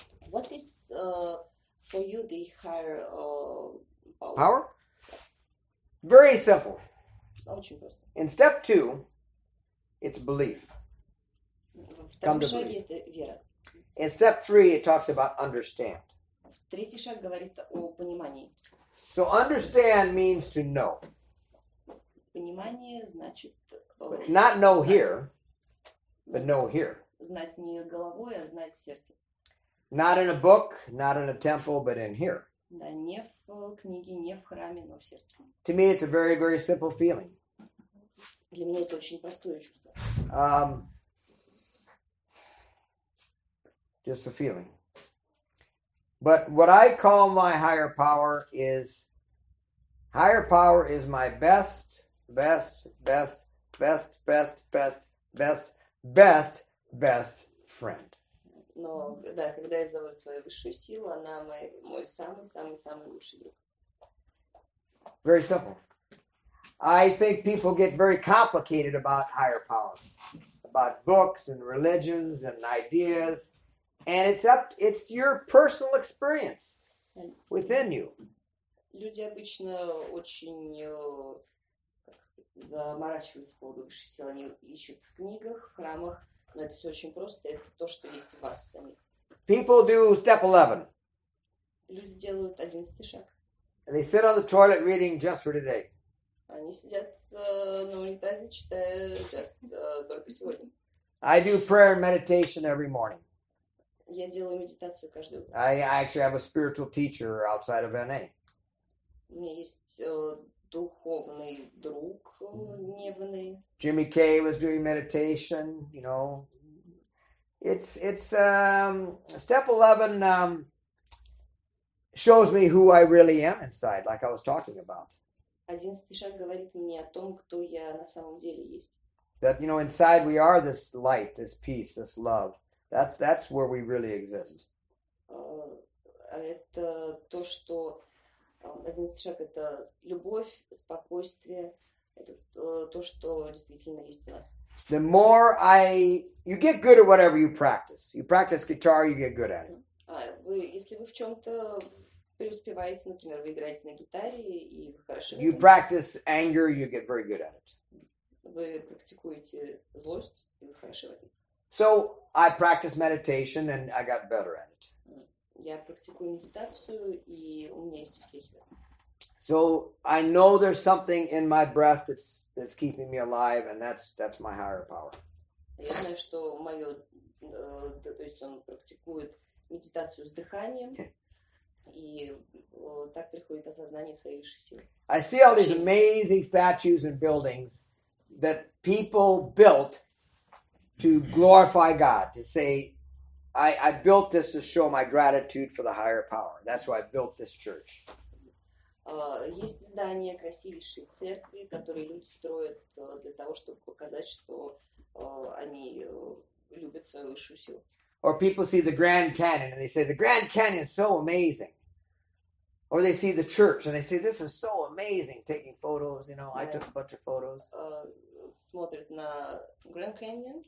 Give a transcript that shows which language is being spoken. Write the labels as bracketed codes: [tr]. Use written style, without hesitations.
[en] What is for you the higher power? Power? Very simple. [ru] Очень просто. [en] In step two, it's belief. Come to believe. [ru] Это вера. [en] In step three, it talks about understand. [ru] Третий шаг говорит о понимании. [en] So understand means to know. [ru] Понимание значит. [en] But not know [ru] знать. [en] Here, but know here. [ru] Знать не головой, а знать сердце. [en] Not in a book, not in a temple, but in here. [ru] Да, не в книге, не в храме, но в сердце. [en] To me, it's a very, very simple feeling. [ru] Для меня это очень простое чувство. [en] Just a feeling. But what I call my higher power is, higher power is my best, best, best, best, best, best, best, best, best friend. [ru] Но да, когда я зову свою высшую силу, она мой самый-самый-самый лучший друг. [en] Very simple. I think people get very complicated about higher power, about books and religions and ideas. And it's your personal experience within you. [ru] Люди обычно очень заморачиваются по поводу высшей силы. Они ищут в книгах, в храмах. Но это все очень просто. Это то, что есть в вас самих. [en] People do step 11. [ru] Люди делают 11 шаг. [en] And they sit on the toilet reading Just for Today. [ru] Они сидят на унитазе, читая Just только сегодня. [en] I do prayer and meditation every morning. [ru] Я делаю медитацию каждый день. [en] I actually have a spiritual teacher outside of NA. [ru] У меня есть духовный друг не в NA. [en] Jimmy Kay was doing meditation, you know. It's step 11 shows me who I really am inside, like I was talking about. [ru] 11 шаг говорит мне о том, кто я на самом деле есть. [en] That, you know, inside we are this light, this peace, this love. That's where we really exist. [ru] Это то, что 11 шаг – это любовь, спокойствие. Это то, что действительно есть в нас. [en] The more you get good at whatever you practice. You practice guitar, you get good at it. [ru] Если вы в чем-то преуспеваете, например, вы играете на гитаре, и вы хорошо... [en] You practice anger, you get very good at it. [ru] Вы практикуете злость, и вы хорошо в этом. [en] So, I practice meditation, and I got better at it. [ru] Я практикую медитацию, и у меня есть успехи. [en] So, I know there's something in my breath that's keeping me alive, and that's my higher power. [ru] Я знаю, что мое... То есть, он практикует медитацию с дыханием, и так приходит осознание своей высшей силы. [en] I see all these amazing statues and buildings that people built to glorify God, to say, I built this to show my gratitude for the higher power. That's why I built this church. [ru] Есть здания, красивейшие церкви, которые люди строят для того, чтобы показать, что они любят свою высшую силу. [en] Or people see the Grand Canyon and they say, the Grand Canyon is so amazing. Or they see the church and they say, this is so amazing, taking photos, you know, yeah. I took a bunch of photos. [ru] Смотрят на Grand Canyon.